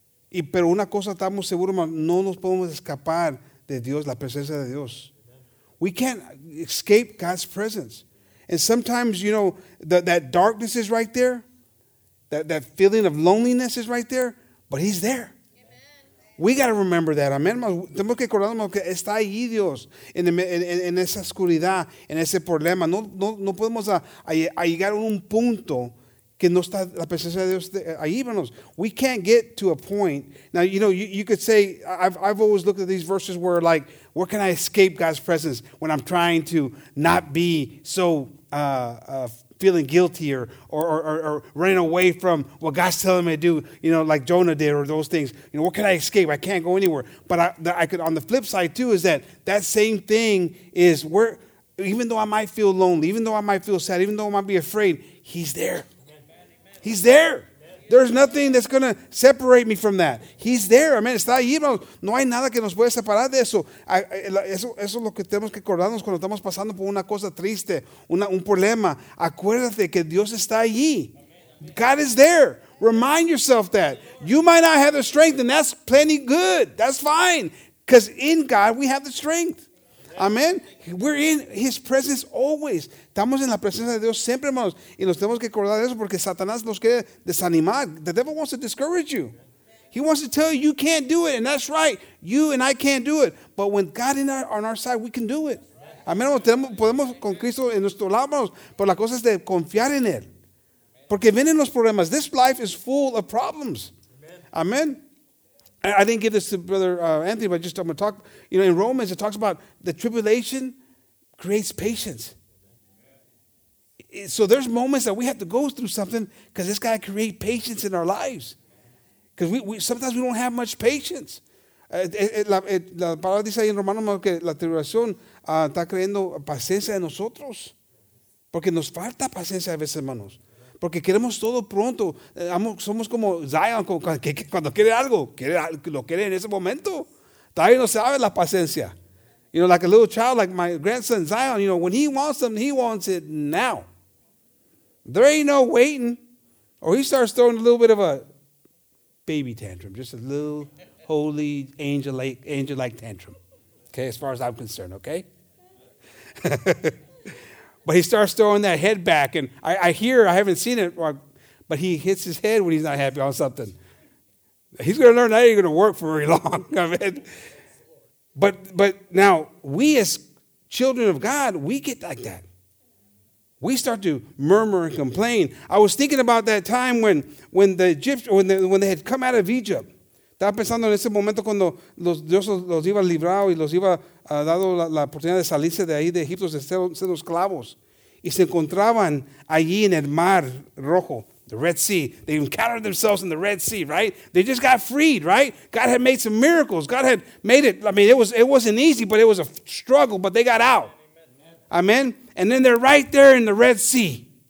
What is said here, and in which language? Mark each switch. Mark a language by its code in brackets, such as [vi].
[es] Y, pero una cosa estamos seguros, hermano, no nos podemos escapar de Dios, la presencia de Dios. [en] Amen. We can't escape God's presence. And sometimes, you know, that darkness is right there. That feeling of loneliness is right there. But he's there. Amen. We got to remember that. Amen. [es] Tenemos que acordarnos que está ahí Dios en esa oscuridad, en ese problema. No podemos a llegar a un punto que no está la presencia de Dios ahí. [en] We can't get to a point. Now, you know, you could say, I've always looked at these verses where like, where can I escape God's presence when I'm trying to not be so feeling guilty or running away from what God's telling me to do, you know, like Jonah did or those things? You know, where can I escape? I can't go anywhere. But I could, on the flip side too, is that same thing is where, even though I might feel lonely, even though I might feel sad, even though I might be afraid, he's there. He's there. There's nothing that's going to separate me from that. He's there. Amen. [es] Está ahí, hermanos. No hay nada que nos pueda separar de eso. Eso es lo que tenemos que acordarnos cuando estamos pasando por una cosa triste, un problema. Acuérdate que Dios está allí. [en] God is there. Remind yourself that. You might not have the strength, and that's plenty good. That's fine. Because in God, we have the strength. Amen. We're in his presence always. [es] Estamos en la presencia de Dios siempre, hermanos. Y nos tenemos que acordar de eso porque Satanás nos quiere desanimar. [en] The devil wants to discourage you. He wants to tell you can't do it. And that's right. You and I can't do it. But when God is on our side, we can do it. [es] Amen. Podemos con Cristo en nuestro lado, hermanos. Pero la cosa es de confiar en él. Porque vienen los problemas. [en] This life is full of problems. Amen. I didn't give this to Brother Anthony, but just I'm going to talk. You know, in Romans, it talks about the tribulation creates patience. So there's moments that we have to go through something because it's got to create patience in our lives. Because we sometimes we don't have much patience. [es] La palabra dice ahí en Romanos que la tribulación está creando paciencia en nosotros. Porque nos falta paciencia a veces, hermanos. Porque queremos todo pronto. Somos como Zion, cuando quiere algo, lo quiere en ese momento. Todavía no sabe la paciencia. [en] You know, like a little child, like my grandson Zion, you know, when he wants something, he wants it now. There ain't no waiting. Or he starts throwing a little bit of a baby tantrum, just a little holy angel-like tantrum. Okay, as far as I'm concerned, okay? But he starts throwing that head back, and I haven't seen it, but he hits his head when he's not happy on something. He's going to learn that ain't going to work for very long. I mean, but now, we as children of God, we get like that. We start to murmur and complain. I was thinking about that time when they had come out of Egypt. [es] Estaba pensando en ese momento cuando Dios los iba a librar y los iba a dar la oportunidad de salirse de ahí de Egipto, de ser los esclavos. Y se encontraban allí en el Mar Rojo, [en] the Red Sea. They encountered themselves in the Red Sea, right? They just got freed, right? God had made some miracles. God had made it. I mean, it wasn't easy, but it was a struggle, but they got out. Amen? And then they're right there in the Red Sea.